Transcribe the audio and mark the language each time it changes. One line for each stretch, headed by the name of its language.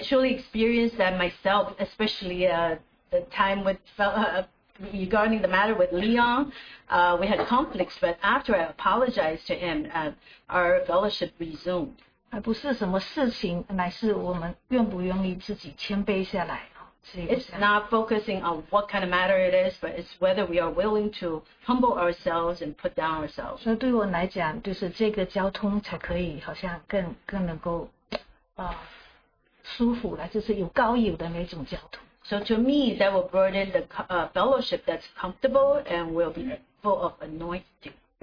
English: truly experienced that myself, especially the time with regarding the matter with Leon. We had conflicts, but after I apologized to him, our fellowship resumed.
Chinese: 而不是什么事情，乃是我们愿不愿意自己谦卑下来。
English: It's not focusing on what kind of matter it is, but it's whether we are willing to humble ourselves and put down ourselves.
Chinese: 所以对我来讲，就是这个交通才可以好像更能够舒服了，就是有高有的那种交通。
English: So to me, that will broaden the fellowship that's comfortable and will be full of anointing.